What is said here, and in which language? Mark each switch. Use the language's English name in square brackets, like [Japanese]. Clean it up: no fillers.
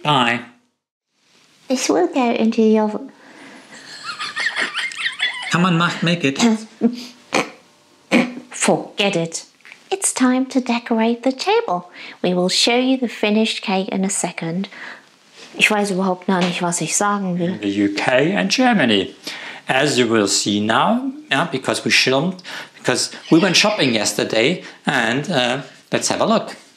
[English] Bye. This will go into your... Come on, Mark, make it. Forget it. It's time to decorate the table. We will show you the finished cake in a second. [German] Ich weiß überhaupt noch nicht, was ich sagen will. [English] The UK and Germany. As you will see now, yeah, because we filmed, because we went shopping yesterday, and let's have a look.